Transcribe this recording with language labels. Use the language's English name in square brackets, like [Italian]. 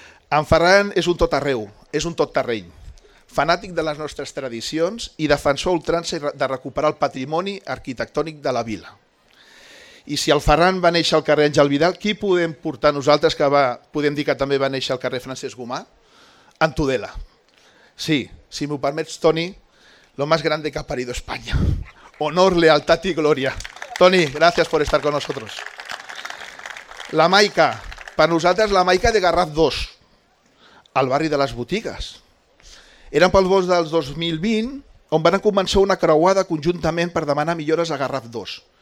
[Catalan] En Ferran és un tot arreu, és un tot terreny, fanàtic de les nostres tradicions i defensor ultrança de recuperar el patrimoni arquitectònic de la vila. I si el Ferran va néixer al carrer Àngel Vidal, qui podem portar nosaltres que va, podem dir que també va néixer al carrer Francesc Gomà? En Tudela. Sí, si m'ho permets, [Spanish] Toni, lo más grande que ha parido España. [Catalan] Honor, lealtat i glòria. Toni, gràcies per estar [Spanish] con nosotros. [Catalan] La Maica, per nosaltres la Maica de Garraf 2, al barri de les botigues. Eren pels vols dels 2020 on van començar una creuada conjuntament per demanar millores a Garraf 2.